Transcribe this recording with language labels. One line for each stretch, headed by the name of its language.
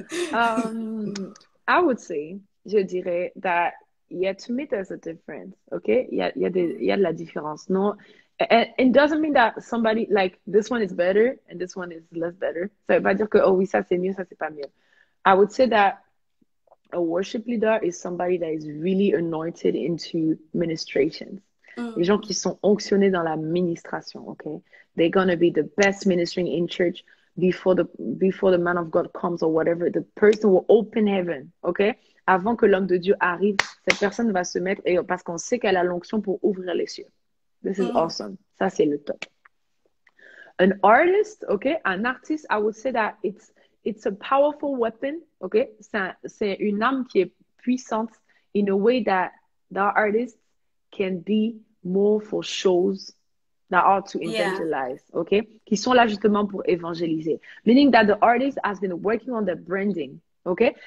English: I would say,
French: je dirais,
English: that yeah, to me, there's a difference, okay?
French: Y a de la différence, non?
English: And it doesn't mean that somebody, like, this one is better and this one is less better.
French: Ça veut pas dire que, oh oui, ça c'est mieux, ça c'est pas mieux.
English: I would say that a worship leader is somebody that is really anointed into ministrations.
French: Les gens qui sont onctionnés dans la ministration, okay?
English: They're gonna be the best ministering in church before the man of God comes or whatever. The person will open heaven, okay?
French: Avant que l'homme de Dieu arrive, cette personne va se mettre et parce qu'on sait qu'elle a l'onction pour ouvrir les cieux.
English: This is awesome.
French: Ça, c'est le top.
English: An artist, okay?
French: Un artiste,
English: I would say that it's a powerful weapon, okay?
French: C'est une arme qui est puissante
English: in a way that artists can be more for shows that are to evangelize, okay?
French: Qui sont là justement pour évangéliser.
English: Meaning that the artist has been working on their branding, Okay?